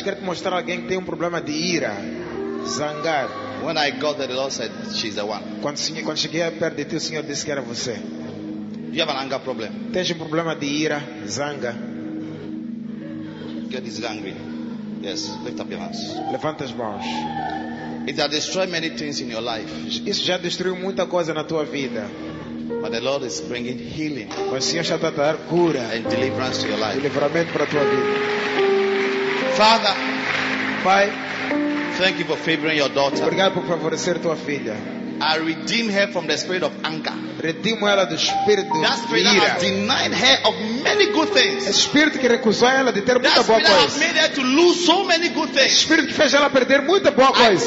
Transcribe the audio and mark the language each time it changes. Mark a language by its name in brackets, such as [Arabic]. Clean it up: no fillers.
[Portuguese] Quero te mostrar alguém que tem problema de ira, zangar. [English] When I got there, the Lord said, she's the one. [Portuguese] Quando cheguei perto de ti, o senhor disse que era você. [English] You have an anger problem. [Portuguese] Tens problema de ira, zanga. [English] Get this angry. Yes, lift up your hands. [Portuguese] Levanta as mãos. [English] It has destroyed many things in your life. [Portuguese] Isso já destruiu muita coisa na tua vida. [English] But the Lord is bringing healing. [Portuguese] Mas o Senhor está a dar cura [English] and deliverance to your life. [Portuguese] Livramento para a tua vida. [English] Father, [Portuguese] Pai, [English] thank you for favoring your daughter. [Portuguese] Obrigado por favorecer tua filha. [English] I redeem her from the spirit of anger. [Portuguese] Redimo ela do espírito de ira. [English] That spirit has denied her of many good things. [Portuguese] Esse espírito que recusou ela de ter muita boa coisa. [English] That spirit has made her to lose so many good things. [Portuguese] Esse espírito que fez ela perder muita boa coisa.